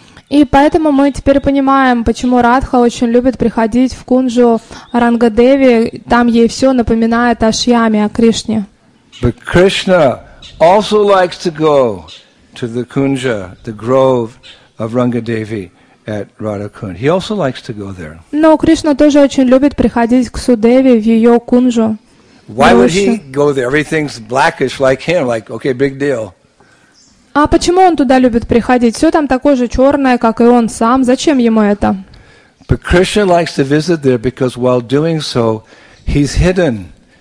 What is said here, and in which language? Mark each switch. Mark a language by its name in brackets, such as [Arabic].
[Russian] И поэтому мы теперь понимаем, почему Радха очень любит приходить в кунжу Рангадеви. Там ей все напоминает о Шьяме, о Кришне. [English] But Krishna also likes to go to the kunja, the grove of Rangadevi at Radhakund. He also likes to go there. [Russian] Но Кришна тоже очень любит приходить к Судеви в ее кунжу. [English] Why would he go there? Everything's blackish like him. Like, okay, big deal. [Russian] А почему он туда любит приходить? Все там такое же черное, как и он сам. Зачем ему это? [English] But Krishna likes to visit there because while doing so, he's hidden.